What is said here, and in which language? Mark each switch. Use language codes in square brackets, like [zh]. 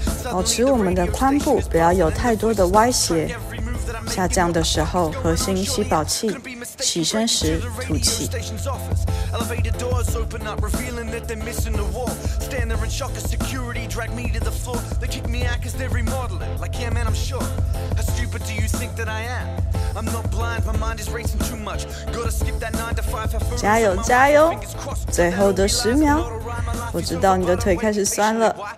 [zh] 保持我们的髋部不要有太多的歪斜，下降的时候核心吸饱气，起身时吐气。 [en] Elevator doors open up, revealing that they're missing the wall. Stand there in shock as security drag me to the floor. They kick me out 'cause they're remodeling. Like, yeah, man, I'm sure. How stupid do you think that I am? I'm not blind, my mind is racing too much. Gotta skip that 9 to 5. [zh] 加油加油！最后的10秒，我知道你的腿开始酸了。